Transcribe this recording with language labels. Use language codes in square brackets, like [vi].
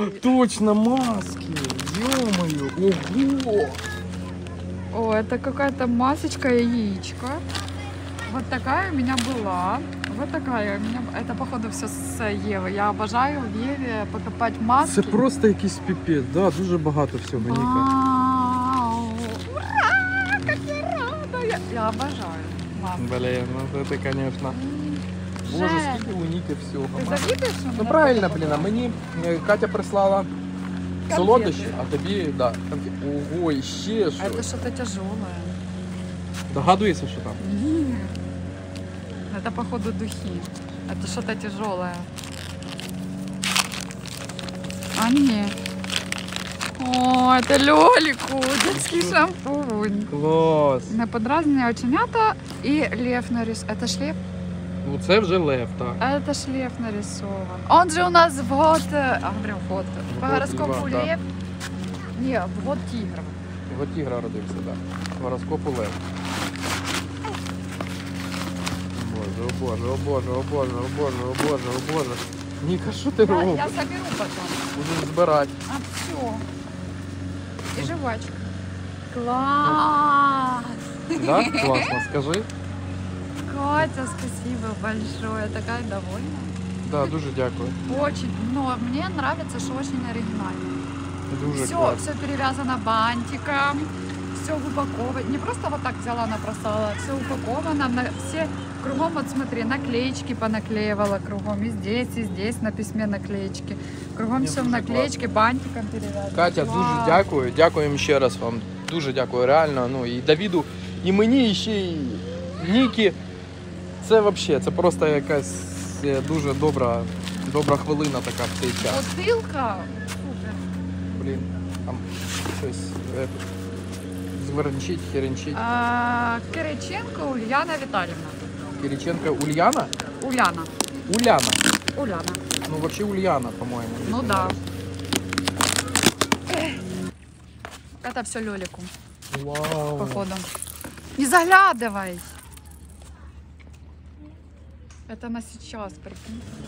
[ru] Точно, маски! Ё-моё! Ого! О, это какая-то масочка яичко. Вот такая у меня была. Вот такая у меня... Это, походу, всё с Евы. Я обожаю в Еве покупать маски. Это просто якийсь пипец. [uk] Да, дуже багато всего, Ника. [ru] Вау! Как я рада! Я обожаю маски. Блин, ну это, конечно... [uk] Боже, скільки у Ніки всього. Ти завітаєш, що ну, правильно, блін, а мені Катя прислала конфеты. Солодощі, а тобі, да, конфеты. Ого, і ще що. А це щось тяжеле. Догадуєшся, що там? Ні. Це, походу, духи. А це щось тяжеле. А ні. О, це Лоліку, детський шампунь. Клас. Не подразнені оченята і лев наріс. Це ж лев? Ну, це вже лев, так. А це ж лев нарисован. [ru] Он же у нас в год, а прям в год, по гороскопу льва, лев. [uk] Да. Ні, в год тигра. В год тигра родився, так. Да. В гороскопу лев. Боже, о боже, о боже, о боже, о боже, о боже, о боже. Ніка, що ти робиш? Я заберу потім. Буду збирати. А все. І жвачка. Клас! Так, да? Класно, скажи. [ru] Катя, спасибо большое, такая довольна. [uk] Да, дуже дякую. [ru] Очень, но мне нравится, что очень оригинально. [uk] Дуже [ru] все, все перевязано бантиком, все упаковано. Не просто вот так взяла, набросала, все упаковано. На все, кругом, вот смотри, наклеечки понаклеивала кругом. И здесь на письме наклеечки. Кругом все в наклеечке, бантиком перевязано. Катя, вау. [uk] Дуже дякую, дякую [ru] еще раз [uk] вам. Дуже дякую, реально. [ru] Ну и Давиду, и мне еще, и Нике. [uk] Це взагалі, це просто якась дуже добра, добра хвилина така в цей час. Бутилка? Блін, там щось зверничить, херенчить. Кириченко Ульяна Віталівна. Кириченко Ульяна? Ульяна. Ульяна. Уляна. [ru] Ну, вообще Ульяна, по-моему. Ну, да. Это все Лёлику. Вау. Походу. Не заглядывай. Это на сейчас, прикинь.